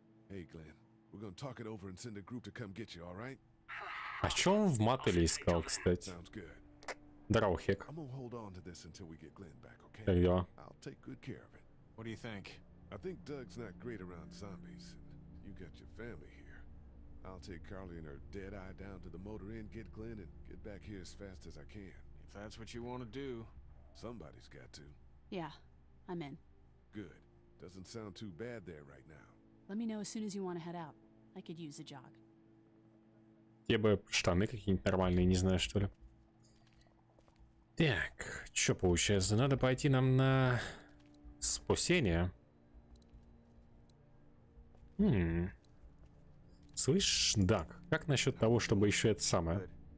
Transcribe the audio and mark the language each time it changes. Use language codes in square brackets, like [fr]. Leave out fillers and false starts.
[en] Hey, Glenn, we're gonna talk it over and send a group to come get you, all right? [ru] А чё он в мотеле искал, кстати? [en] Sounds good. [ru] Здорово, Хек. [en] I'm gonna hold on to this until we get Glenn back, okay? [ru] Так дела. [en] I'll take good care of it. What do you think? I think Doug's not great around zombies. You got your family here. I'll take Carly and her dead eye down to the motor inn, get Glenn, and get back here as fast as I can. If that's what you want to do. Somebody's got to. Yeah, I'm in. Good. Doesn't sound too bad there right now. Let me know as soon as you want to head out. I could use a jog. [ru] Я бы штаны какие-нибудь нормальные, не знаю, что ли. Так, что получается? Надо пойти нам на спасение. Слышь, Дак, как насчет того, чтобы еще это самое?